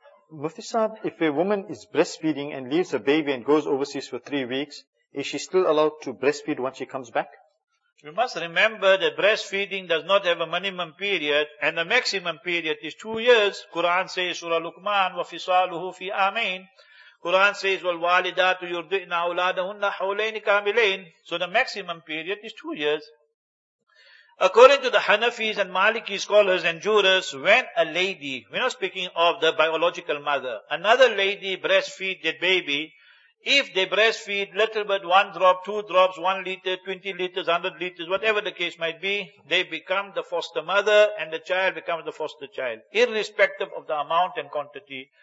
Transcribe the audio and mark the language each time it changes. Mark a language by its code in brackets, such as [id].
[en] Mufti Sahab, if a woman is breastfeeding and leaves her baby and goes overseas for 3 weeks, is she still allowed to breastfeed once she comes back? You must remember that breastfeeding does not have a minimum period, and the maximum period is 2 years. [ar] Quran says, Surah Luqman, وَفِصَالُهُ فِي آمَيْنِ. Quran says, وَالْوَالِدَاتُ يُرْضِئْنَا أُولَادَهُنَّ حَوْلَيْنِ كَامِلَيْنِ. [en] So the maximum period is 2 years. According to the Hanafis and Maliki scholars and jurors, when a lady, we're not speaking of the biological mother, another lady breastfeed that baby, if they breastfeed little bit, 1 drop, 2 drops, 1 liter, 20 liters, 100 liters, whatever the case might be, they become the foster mother and the child becomes the foster child, irrespective of the amount and quantity.